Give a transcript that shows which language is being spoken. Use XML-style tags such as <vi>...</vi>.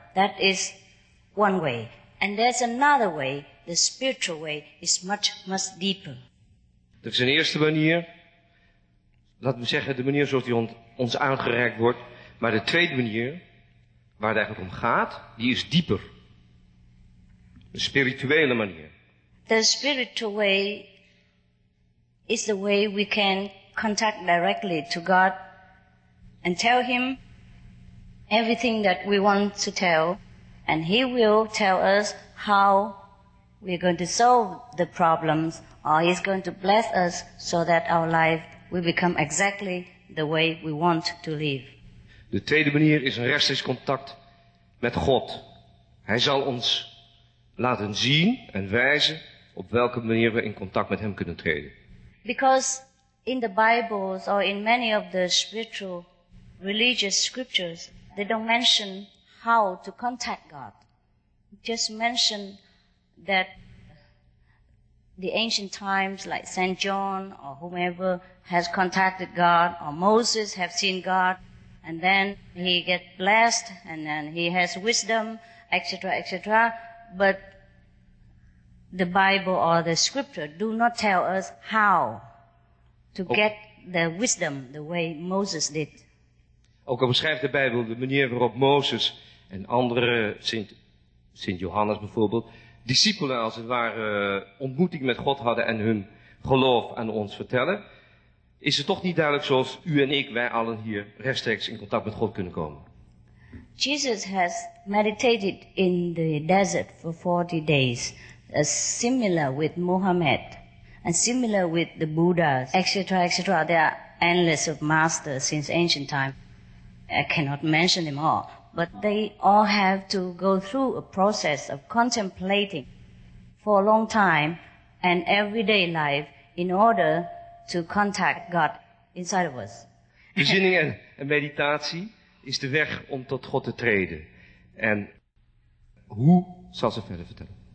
<en>That is one way. And there's another way, the spiritual way, is much, much deeper.</en> <nl>Dat is een eerste manier. Laten we zeggen, de manier zoals die ons aangereikt wordt. Maar de tweede manier, waar het eigenlijk om gaat, die is dieper. De spirituele manier.</nl> <en>The spiritual way is the way we can contact directly to God and tell him everything that we want to tell, and he will tell us how we're going to solve the problems, or he's going to bless us so that our life will become exactly the way we want to live.</en> <nl>De tweede manier is een rechtstreeks contact met God. Hij zal ons laten zien en wijzen op welke manier we in contact met hem kunnen treden.</nl> <en>Because in the Bibles or in many of the spiritual religious scriptures, they don't mention how to contact God. Just mention that the ancient times, like Saint John or whomever, has contacted God, or Moses have seen God, and then he gets blessed, and then he has wisdom, etc., etc. But the Bible or the scripture do not tell us how to get the wisdom the way Moses did.</en> <nl>Ook al beschrijft de Bijbel de manier waarop Mozes en andere, Sint Johannes bijvoorbeeld, discipelen als het ware ontmoeting met God hadden en hun geloof aan ons vertellen, is het toch niet duidelijk zoals u en ik, wij allen hier rechtstreeks in contact met God kunnen komen.</nl> <en>Jesus has meditated in the desert for 40 days, similar with Muhammad, and similar with the Buddha, etc., etc. There are endless of masters since ancient time. I cannot mention them all, but they all have to go through a process of contemplating for a long time and everyday life in order to contact God inside of us.</en> <nl>Bezinning en meditatie is de weg om tot God te treden. En hoe zal ze verder vertellen?</nl>